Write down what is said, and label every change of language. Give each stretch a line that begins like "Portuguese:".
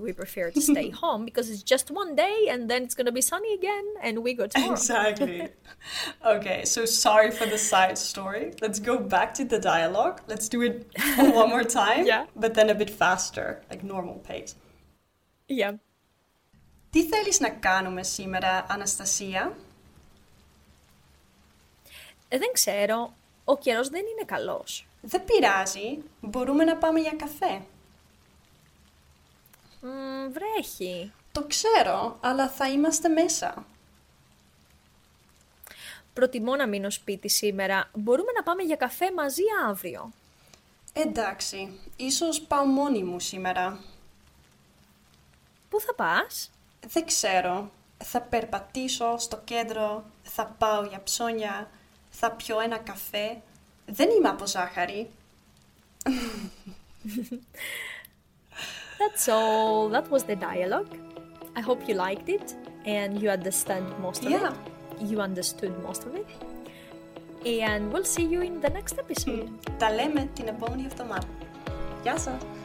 English: We prefer to stay home because it's just one day and then it's going to be sunny again and we go tomorrow. Exactly. Okay, so sorry for the side story. Let's go back to the dialogue. Let's do it one more time, but then a bit faster, like normal pace. Yeah.
Greek: Τι θέλεις να κάνουμε σήμερα, Αναστασία? Δεν ξέρω. Ο καιρός δεν είναι καλός. Δεν πειράζει. Μπορούμε να πάμε για καφέ. Βρέχει. Το ξέρω, αλλά θα είμαστε μέσα. Προτιμώ να μείνω σπίτι σήμερα. Μπορούμε να πάμε για καφέ μαζί αύριο. Εντάξει. Ίσως πάω μόνη μου σήμερα. Πού θα πας? Δεν ξέρω. Θα περπατήσω στο κέντρο, θα πάω για ψώνια, θα πιω ένα καφέ. Δεν είμαι από ζάχαρη.
English: That's all. That was the dialogue. I hope you liked it and you understand most of it. Yeah. You understood most of it. And we'll see you in the next episode.
Greek: Τα λέμε την επόμενη εβδομάδα. Γεια σας.